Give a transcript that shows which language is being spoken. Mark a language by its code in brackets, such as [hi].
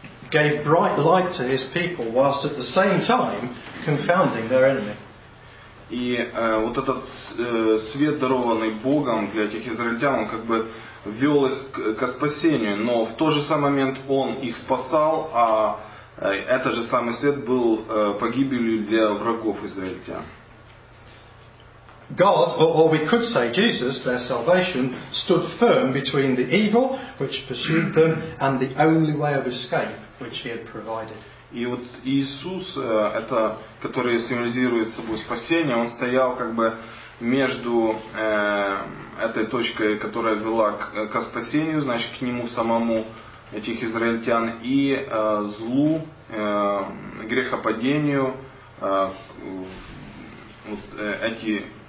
[en] Gave bright light to his people, whilst at the same time confounding their enemy. [ru] И вот этот свет, дарованный Богом для этих израильтян, он как бы вел их ко спасению, но в тот же самый момент он их спасал, а этот же самый свет был погибелью для врагов израильтян. [en] God, or we could say Jesus, their salvation, stood firm between the evil which pursued them and the only way of escape which he had provided. [ru] И вот Иисус, это, который символизирует собой спасение, он стоял как бы между этой точкой, которая вела ко спасению, значит, к нему самому, этих израильтян, и злу, грехопадению, вот эти